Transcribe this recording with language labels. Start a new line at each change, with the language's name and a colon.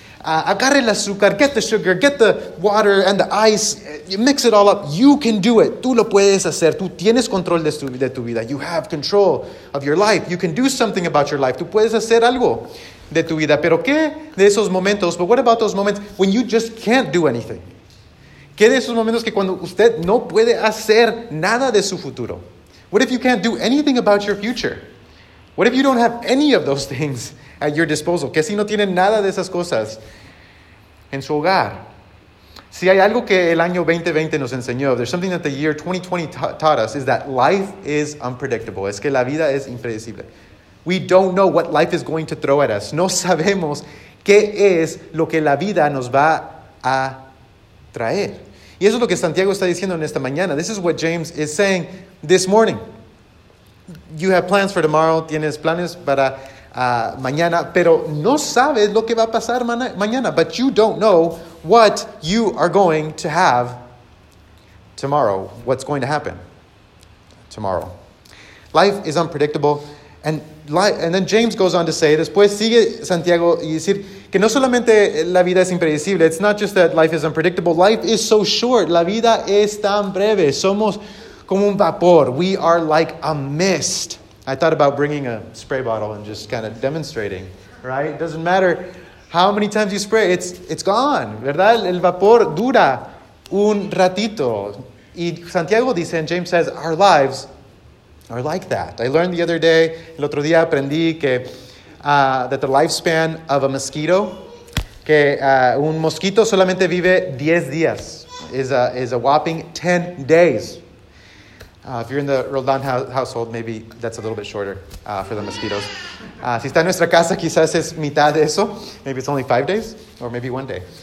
Spanish: Agarre el azúcar,
English: get the sugar, get the water and the ice, mix it all up. You can do it.
Spanish: Tú lo puedes hacer. Tú tienes control de tu vida.
English: You have control of your life. You can do something about your life.
Spanish: Tú puedes hacer algo de tu vida. Pero ¿qué de esos momentos?
English: But what about those moments when you just can't do anything?
Spanish: ¿Qué de esos momentos que cuando usted no puede hacer nada de su futuro?
English: What if you can't do anything about your future? What if you don't have any of those things at your disposal?
Spanish: ¿Qué si no tiene nada de esas cosas en su hogar? Si hay algo que el año 2020 nos enseñó,
English: there's something that the year 2020 taught us, is that life is unpredictable.
Spanish: Es que la vida es impredecible.
English: We don't know what life is going to throw at us.
Spanish: No sabemos qué es lo que la vida nos va a traer. Y eso es lo que Santiago está diciendo en esta mañana.
English: This is what James is saying this morning. You have plans for tomorrow.
Spanish: Tienes planes para mañana. Pero no sabes lo que va a pasar mañana.
English: But you don't know what you are going to have tomorrow. What's going to happen tomorrow. Life is unpredictable. And then James goes on to say,
Spanish: después sigue Santiago y decir que no solamente la vida es impredecible,
English: it's not just that life is unpredictable, life is so short,
Spanish: la vida es tan breve, somos como un vapor,
English: we are like a mist. I thought about bringing a spray bottle and just kind of demonstrating, right? It doesn't matter how many times you spray, it's gone, ¿verdad?
Spanish: El vapor dura un ratito. Y Santiago dice,
English: and James says, our lives are like that. I learned the other day,
Spanish: el otro día aprendí que
English: that the lifespan of a mosquito,
Spanish: que un mosquito solamente vive 10 días,
English: is a whopping 10 days. If you're in the Roldán household, maybe that's a little bit shorter for the mosquitoes.
Spanish: Si está en nuestra casa, quizás es mitad de eso.
English: Maybe it's only 5 days, or maybe one day.